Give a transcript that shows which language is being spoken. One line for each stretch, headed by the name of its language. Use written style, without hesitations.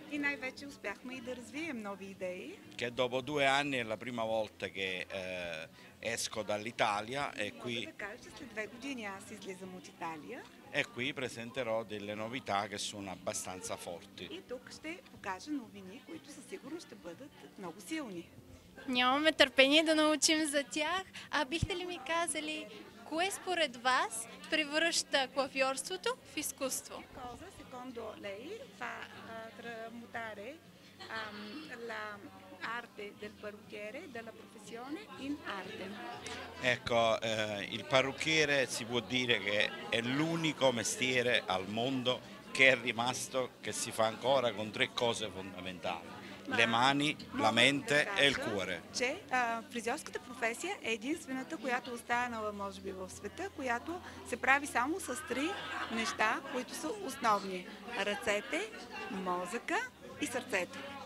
Bulgarian: И най-вече успяхме и да развием нови идеи.
Italian: Che dopo due anni è la prima volta che esco dall'Italia e qui.
Bulgarian: След две години аз излизам от Италия.
Italian: E qui presenterò delle novità che sono abbastanza forti.
Bulgarian: И тук ще покажа новини, които със сигурност ще бъдат много силни. Нямаме търпение да научим за тях. А бихте ли ми казали, кое според вас превръща клафьорството в изкуство?
Italian: Secondo lei fa tramutare l'arte del parrucchiere, della professione in arte? Ecco, il parrucchiere si può dire che è l'unico mestiere al mondo che è rimasto, che si fa ancora con tre cose fondamentali. Le mani, la mente e il cuore.
Bulgarian: Че фризьорската професия е единствената, която останала може би в света, която се прави само с три неща, които са основни. Ръцете, мозъка и сърцето.